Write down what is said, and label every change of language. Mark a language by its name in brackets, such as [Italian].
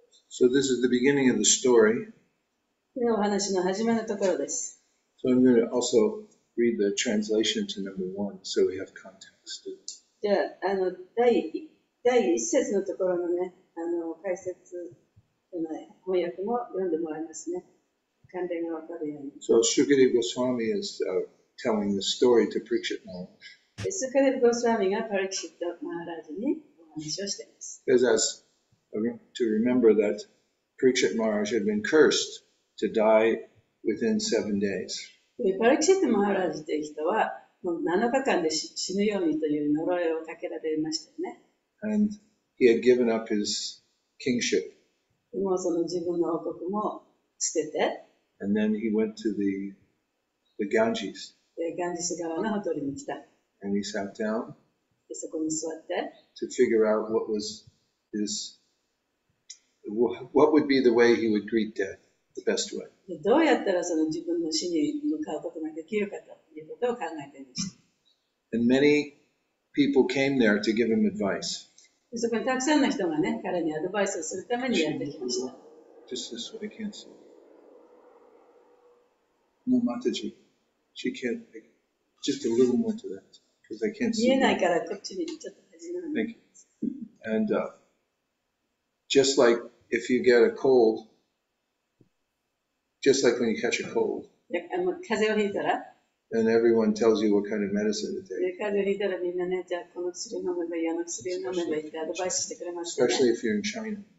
[English] So this is the beginning of the story. [Japanese] お話の始まるところです。 [English] So I'm going to also read the translation to number one, so we have context. [Japanese] じゃあ、第1節のところのね、解説の翻訳も読んでもらいますね。関連がわかるように。 [English] So Sukadeva Goswami is telling the story to Parikshit Maharaj. [Japanese] Sukadeva Goswami がパリクシット・マハラジにお話をしています。 [English] Because as to remember that Parikshit Maharaj had been cursed. To die within 7 days. [Japanese] パリクシットマハラジという人は、もう7日間で死ぬようにという呪いをかけられましたね。 [English] And he had given up his kingship. [Japanese] もうその自分の王国も捨てて。 [English] And then he went to the Ganges. [Japanese] ガンジス川のほとりに来た。 [English] And he sat down. [Japanese] でそこに座って [English] to figure out what was his what would be the way he would greet death the best way [Japanese] でどうやったらその自分の死に向かうことができるかということを考えていました [English] and many people came there to give him advice [Japanese] でそこにたくさんの人がね彼にアドバイスをするためにやってきました [English] just this way, I can't see no Mataji she can't pick just a little more to that because I can't see thank you and just like if you get a cold just like when you catch a cold and everyone tells you what kind of medicine to take especially if you're in China